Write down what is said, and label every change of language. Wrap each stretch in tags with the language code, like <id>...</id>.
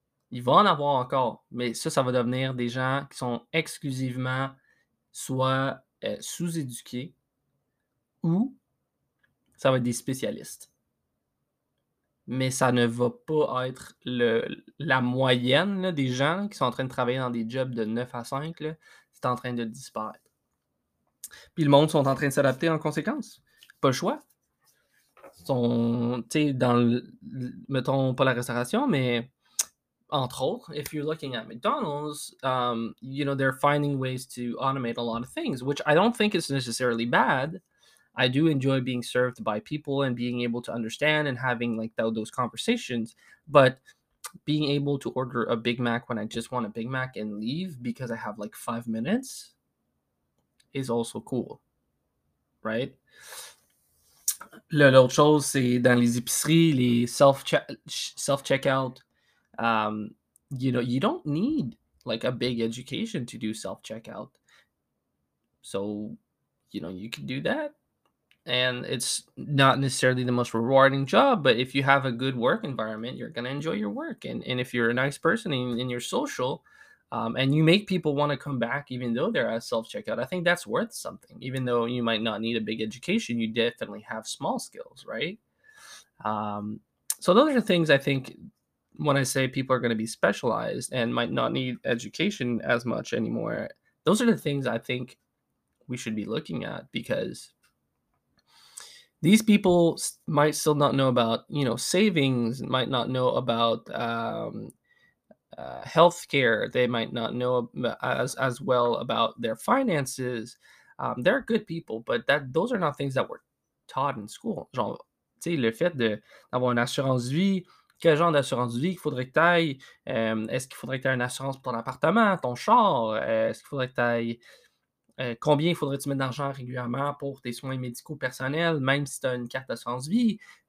<fr>Il va en avoir encore, mais ça va devenir des gens qui sont exclusivement soit sous-éduqués ou ça va être des spécialistes. Mais ça ne va pas être la moyenne là, des gens là, qui sont en train de travailler dans des jobs de 9 à 5. Là, c'est en train de disparaître. Puis le monde sont en train de s'adapter en conséquence. Pas le choix. Tu sais, dans le, mettons pas la restauration, mais entre autres,</fr> <en>if you're looking at McDonald's, you know, they're finding ways to automate a lot of things, which I don't think is necessarily bad. I do enjoy being served by people and being able to understand and having, like, those conversations. But being able to order a Big Mac when I just want a Big Mac and leave because I have, like, 5 minutes is also cool, right?</en> <fr>L'autre chose, c'est dans les épiceries, les self-checkout.</fr> <en>You know, you don't need like a big education to do self-checkout. So, you know, you can do that. And it's not necessarily the most rewarding job, but if you have a good work environment, you're going to enjoy your work. And if you're a nice person and you're social, and you make people want to come back, even though they're at self-checkout, I think that's worth something. Even though you might not need a big education, you definitely have small skills, right? So those are things I think, when I say people are going to be specialized and might not need education as much anymore, those are the things I think we should be looking at, because these people might still not know about, you know, savings, might not know about healthcare. They might not know as well about their finances. They're good people, but those are not things that were taught in school.</en> <fr>Genre, tu sais, le fait d'avoir une assurance vie, quel genre d'assurance vie qu'il faudrait que tu ailles? Est-ce qu'il faudrait que tu aies une assurance pour ton appartement, ton char? Est-ce qu'il faudrait que tu ailles? Combien il faudrait que tu mettes d'argent régulièrement pour tes soins médicaux personnels, même si tu as une carte d'assurance vie?</fr>